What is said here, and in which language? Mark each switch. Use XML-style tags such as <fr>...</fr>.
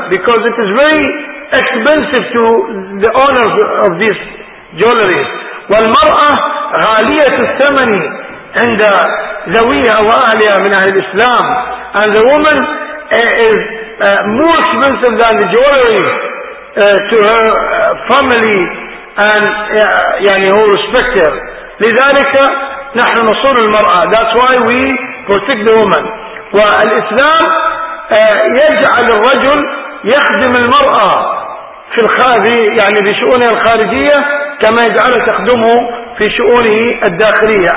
<en>Because it is very expensive to the owners of these jewelry.</en> <ar>والمرأة غالية الثمن عند ذويها وأهلها من أهل الإسلام.</ar> <en>And the woman is more expensive than the jewelry to her family and يعني who respect her.</en> <ar>لذلك نحن نصون المرأة.</ar> <en>That's why we protect the woman.</en> <ar>والإسلام يجعل الرجل يخدم المرأة في الخارج يعني بشؤونه الخارجية كما يجعله تخدمه في شؤونه الداخلية.</ar>